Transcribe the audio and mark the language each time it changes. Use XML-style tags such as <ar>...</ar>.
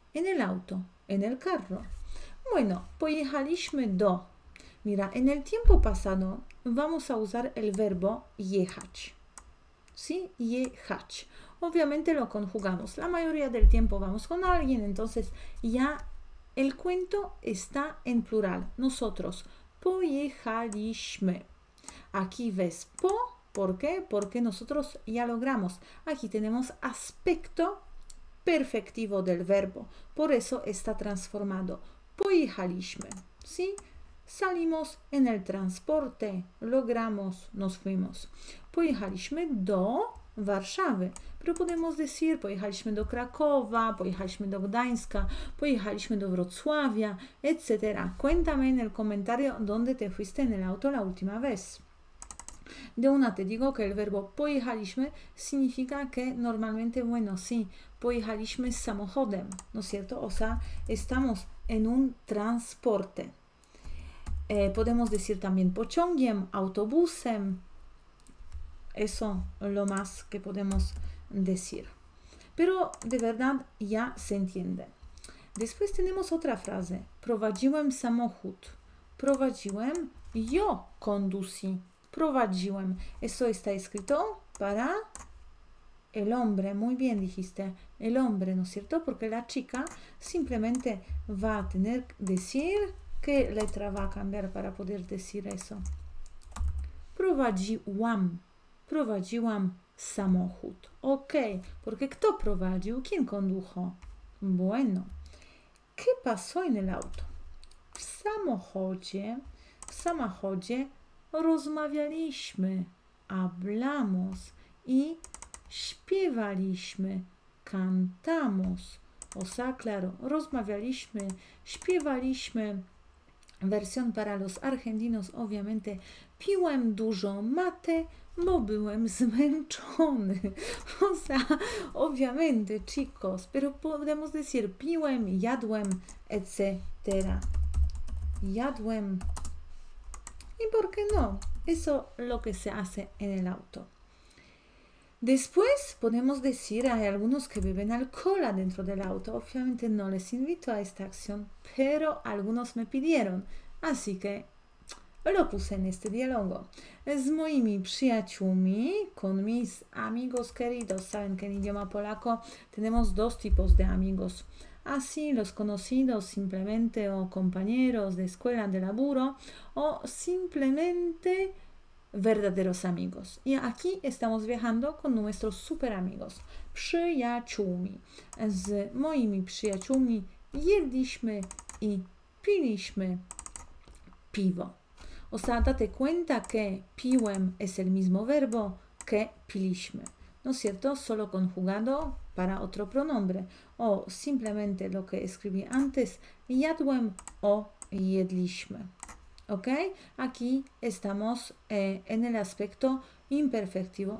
<es>En el auto, en el carro. Bueno,</es> <pl>pojechaliśmy do.</pl> <es>Mira, en el tiempo pasado vamos a usar el verbo jechać. ¿Sí? Jechać. Obviamente lo conjugamos. La mayoría del tiempo vamos con alguien, entonces ya el cuento está en plural. Nosotros,</es> <pl>pojechaliśmy.</pl> <es>Aquí ves po, ¿por qué? Porque nosotros ya logramos. Aquí tenemos aspecto perfectivo del verbo. Por eso está transformado.</es> <pl>Pojechaliśmy.</pl> <es>¿Sí? Salimos en el transporte. Logramos, nos fuimos.</es> <pl>Pojechaliśmy do Warszawy.</pl> <es>Pero podemos decir,</es> <pl>pojechaliśmy do Krakowa, pojechaliśmy do Gdańska, pojechaliśmy do Wrocławia, etc.</pl> <es>Cuéntame en el comentario dónde te fuiste en el auto la última vez. De una te digo que el verbo pojechaliśmy significa que normalmente, bueno, sí,</es> <pl>pojechaliśmy samochodem,</pl> <es>¿no es cierto? O sea, estamos en un transporte. Podemos decir también</es> <pl>pociągiem, autobusem.</pl> <es>Eso lo más que podemos decir. Pero de verdad ya se entiende. Después tenemos otra frase.</es> <pl>Prowadziłem samochód. Prowadziłem,</pl> <es>yo conducí.</es> <pl>Prowadziłem.</pl> <es>Eso está escrito para el hombre. Muy bien dijiste. El hombre, ¿no es cierto? Porque la chica simplemente va a tener que decir qué letra va a cambiar para poder decir eso.</es> <pl>Prowadziłam. Prowadziłam samochód.</pl> <es>Ok, porque ¿quién</es> <pl>prowadził?</pl> <es>¿Quién condujo? Bueno, ¿qué pasó en el auto?</es> <pl>W samochodzie rozmawialiśmy,</pl> <es>hablamos</es> <pl>y śpiewaliśmy,</pl> <es>cantamos. O sea, claro,</es> <pl>rozmawialiśmy, śpiewaliśmy.</pl> <es>Versión para los argentinos, obviamente.</es> <pl>Piłem dużo mate, bo byłem zmęczony.</pl> <es>O sea, obviamente, chicos. Pero podemos decir</es> <pl>piłem, jadłem,</pl> <es>etc.</es> <pl>Jadłem.</pl> <es>¿Y por qué no? Eso es lo que se hace en el auto. Después podemos decir, hay algunos que beben alcohol adentro del auto. Obviamente no les invito a esta acción, pero algunos me pidieron. Así que lo puse en este diálogo. Es</es> <pl>moimi przyjaciółmi,</pl> <es>con mis amigos queridos. Saben que en idioma polaco tenemos dos tipos de amigos. Así, los conocidos simplemente o compañeros de escuela, de laburo, o simplemente verdaderos amigos. Y aquí estamos viajando con nuestros super amigos.</es> <pl>Przyjaciółmi. Z moimi przyjaciółmi jedliśmy i piliśmy piwo.</pl> <es>O sea, date cuenta que</es> <pl>piłem</pl> <es>es el mismo verbo que</es> <pl>piliśmy.</pl> <es>¿No es cierto? Solo conjugado para otro pronombre. O simplemente lo que escribí antes,</es> <pl>jadłem</pl> <es>o</es> <pl>jedliśmy.</pl> <es>¿Ok? Aquí estamos en el aspecto imperfectivo.</es>